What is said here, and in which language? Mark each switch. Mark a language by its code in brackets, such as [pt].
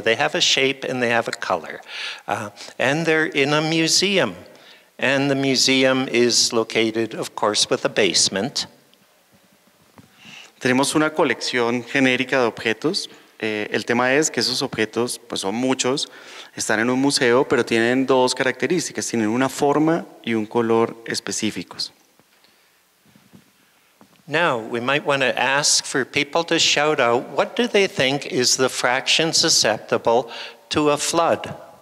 [en] They have a shape and they have a color. And they're in a museum. And the museum is located, of course, with a basement. [es] Tenemos una colección genérica de objetos El tema es que esos objetos, pues son muchos, están en un museo, pero tienen dos características, tienen una forma y un color específicos. [en] Now, we might want to ask for people to shout out, what do they think is the fraction susceptible to a flood?